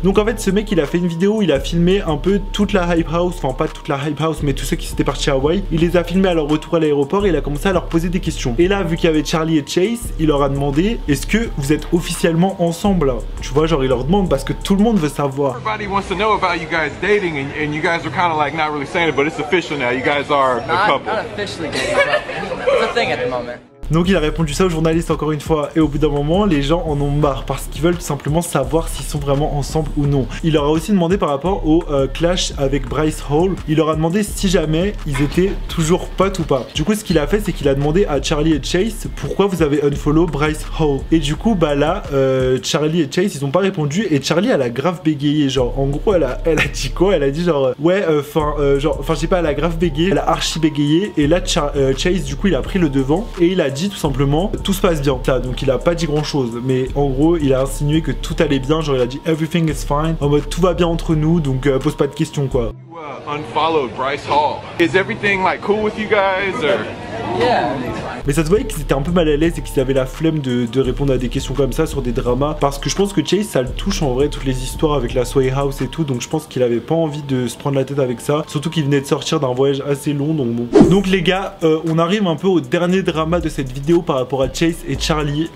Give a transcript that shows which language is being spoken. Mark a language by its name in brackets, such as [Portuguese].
[French] Donc en fait, ce mec il a fait une vidéo où il a filmé un peu toute la hype house, enfin pas toute la hype house, mais tous ceux qui étaient partis à Hawaï. Il les a filmés à leur retour à l'aéroport et il a commencé à leur poser des questions. Et là, vu qu'il y avait Charlie et Chase, il leur a demandé est-ce que vous êtes officiellement ensemble. Tu vois, genre il leur demande parce que tout le monde veut savoir. [English] Everybody wants to know about you guys dating and you guys are kind of like not really saying it but it's official now. You guys are a couple. Not officially dating, but it's a thing at the moment. [French] Donc il a répondu ça aux journalistes encore une fois et au bout d'un moment les gens en ont marre parce qu'ils veulent tout simplement savoir s'ils sont vraiment ensemble ou non. Il leur a aussi demandé par rapport au clash avec Bryce Hall, il leur a demandé si jamais ils étaient toujours potes ou pas. Du coup ce qu'il a fait c'est qu'il a demandé à Charlie et Chase pourquoi vous avez unfollow Bryce Hall. Et du coup bah là Charlie et Chase ils ont pas répondu et Charlie elle a grave bégayé, genre en gros elle a dit quoi, elle a dit genre ouais elle a grave bégayé, elle a archi bégayé et là Chase du coup il a pris le devant et il a dit tout simplement tout se passe bien là, donc il a pas dit grand chose mais en gros il a insinué que tout allait bien, genre il a dit [English] everything is fine, [French] en mode tout va bien entre nous, donc pose pas de questions quoi. [English] Unfollowed Bryce Hall, is everything like cool with you guys or... Yeah. [French] Mais ça se voyait qu'ils étaient un peu mal à l'aise et qu'ils avaient la flemme de répondre à des questions comme ça sur des dramas. Parce que je pense que Chase ça le touche en vrai, toutes les histoires avec la Sway House et tout. Donc je pense qu'il avait pas envie de se prendre la tête avec ça. Surtout qu'il venait de sortir d'un voyage assez long. Donc bon. Donc les gars, on arrive un peu au dernier drama de cette vidéo par rapport à Chase et Charlie.